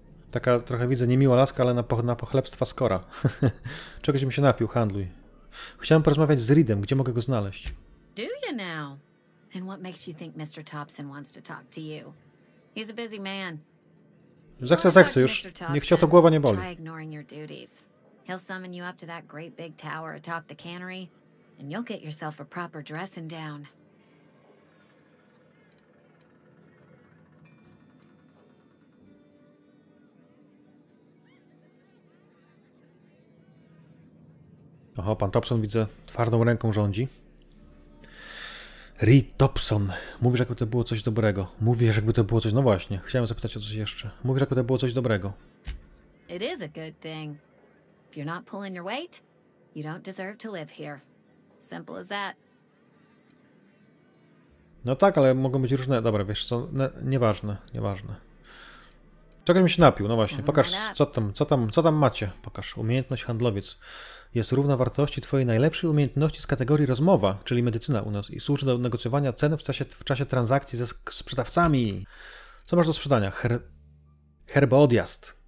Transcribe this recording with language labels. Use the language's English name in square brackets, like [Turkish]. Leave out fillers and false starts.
[Polish] Taka trochę widzę niemiła laska, ale na pochlebstwa skora. Czegoś bym się napił, handluj. Chciałem porozmawiać z Reedem, gdzie mogę go znaleźć? [English] Do you now? And what makes you think Mr. Thompson wants to talk to you? He's a busy man. [Polish] Zechce, już. Niech cię to głowa nie boli. [English] Try ignoring your duties. He'll summon you up to that great big tower atop the cannery, and you'll get yourself a proper dressing down. [Polish] Oho, pan Thompson, widzę, twardą ręką rządzi. Ree Thompson. Mówisz, jakby to było coś dobrego. Mówisz, jakby to było coś... No właśnie, chciałem zapytać o coś jeszcze. Mówisz, jakby to było coś dobrego. [English] It is a good thing. If you're not pulling your weight, you don't deserve to live here. Simple as that. [Polish] No tak, ale mogą być różne... Dobra, wiesz co, nieważne, nieważne. Czegoś mi się napił, no właśnie, pokaż, co tam macie. Pokaż, umiejętność handlowiec. Jest równa wartości twojej najlepszej umiejętności z kategorii rozmowa, czyli medycyna u nas, i służy do negocjowania cen w czasie transakcji ze sprzedawcami. Co masz do sprzedania? Herbodiast.